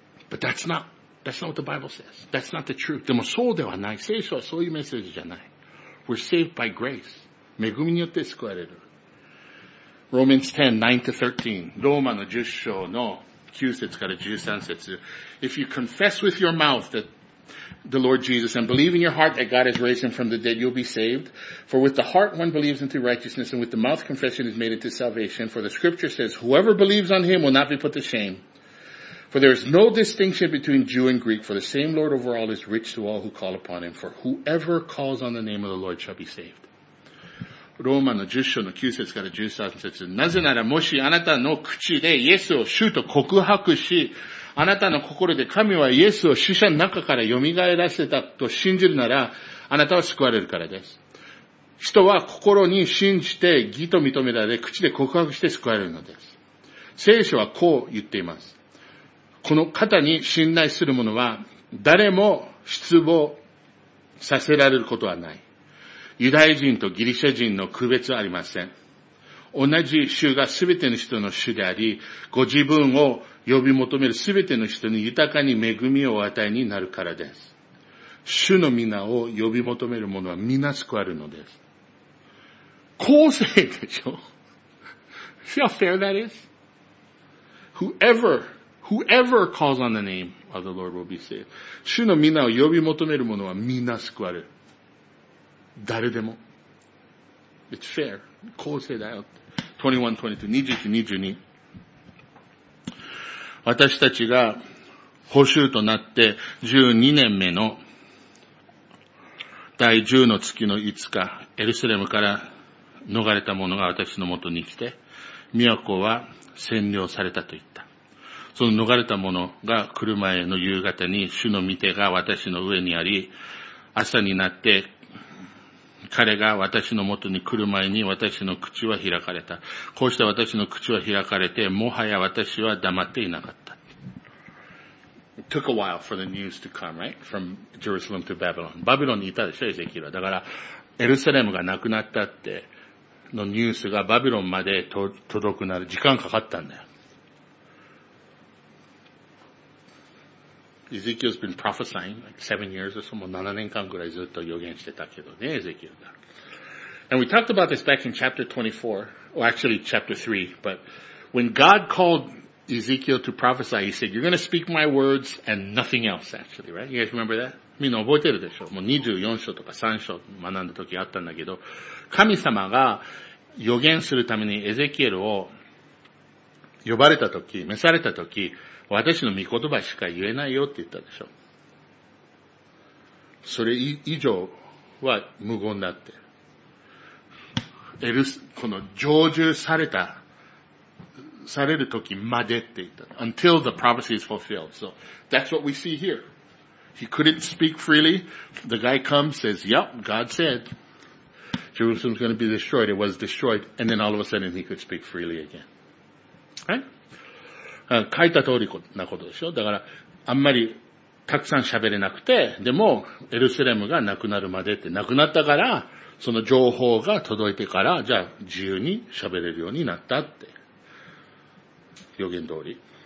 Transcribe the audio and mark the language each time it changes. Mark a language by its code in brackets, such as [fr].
[en] But that's not what the Bible says. That's not the truth. [ja] でもそうではない。聖書はそういうメッセージじゃない。 [en] We're saved by grace. [ja] 恵みによって救われる。 [en] Romans 10:9-13. [ja] ローマの10章の9節から13節。 [en] If you confess with your mouth that the Lord Jesus and believe in your heart that God has raised him from the dead, you'll be saved. For with the heart one believes into righteousness and with the mouth confession is made into salvation. For the scripture says, whoever believes on him will not be put to shame. For there is no distinction between Jew and Greek. For the same Lord over all is rich to all who call upon him. For whoever calls on the name of the Lord shall be saved. [ja] ローマの10章の9節から13節。なぜならもしあなたの口でイエスを主と告白し、あなたの心で神はイエスを死者の中から蘇らせたと信じるなら、あなたは救われるからです。人は心に信じて義と認められ、口で告白して救われるのです。聖書はこう言っています。この方に信頼する者は、誰も失望させられることはない。ユダヤ人とギリシャ人の区別はありません。同じ主がすべての人の主であり、ご自分を呼び求めるすべての人に豊かに恵みをお与えになるからです。主の皆を呼び求める者は皆救われるのです。公正でしょ [en] See how fair that is? Whoever calls on the name of the Lord will be saved. [ja] 主の皆を呼び求める者は皆救われる。誰でも。 [en] It's fair. [ja] 公正だよ。 [en] 21, 22, 21, 22. [ja] 私たちが捕囚となって12年目の第10の月の5日、エルサレムから逃れた者が私のもとに来て、都は占領されたと言った。その逃れた者が来る前の夕方に主の御手が私の上にあり、朝になって彼が私のもとに来る前に私の口は開かれた。こうして私の口は開かれて、もはや私は黙っていなかった。 [en] It took a while for the news to come, right? From Jerusalem to Babylon. [ja] バビロンにいたでしょ、エゼキエルは。だから、エルサレムが亡くなったって、のニュースがバビロンまで届くなる時間かかったんだよ。 [en] Ezekiel's been prophesying like 7 years or so, [ja] もう7年間くらいずっと予言してたけどね、エゼキエルが。 [en] And we talked about this back in chapter 24, or actually chapter 3, but when God calledEzekiel to prophesy, he said, you're going to speak my words and nothing else, actually, right? You guys remember that? [ja] みんな覚えてるでしょ。もう24章とか3章学んだ時あったんだけど、神様が予言するためにエゼキエルを呼ばれた時、召された時、私の御言葉しか言えないよって言ったでしょ。それ以上は無言だって。この成就されたされる時までって言った。 [en] Until the prophecy is fulfilled. So, that's what we see here. He couldn't speak freely. The guy comes, says, yep, God said, Jerusalem's going to be destroyed. It was destroyed. And then all of a sudden he could speak freely again. Right? [ja] 書いた通りなことでしょ。だから、あんまりたくさん喋れなくて、でも、エルサレムがなくなるまでってなくなったから、その情報が届いてから、じゃあ自由に喋れるようになったって。予言通り。